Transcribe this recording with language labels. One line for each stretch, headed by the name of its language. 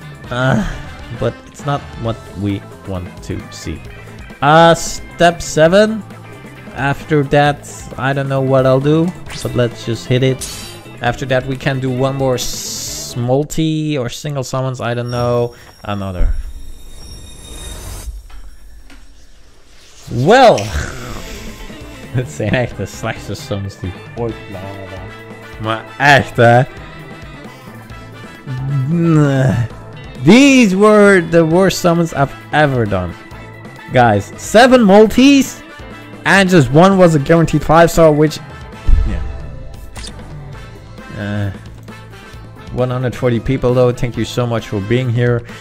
English: But it's not what we want to see. Step 7. After that, I don't know what I'll do, but let's just hit it. After that, we can do 1 more multi or single summons, I don't know. Another.
Dutch: Well, het zijn echt de slechtste summons die ooit waren. Maar echt, hè?
English: These were the worst summons I've ever done. Guys, 7 multis and just 1 was a guaranteed 5-star, which, yeah. 140 people though, thank you so much for being here.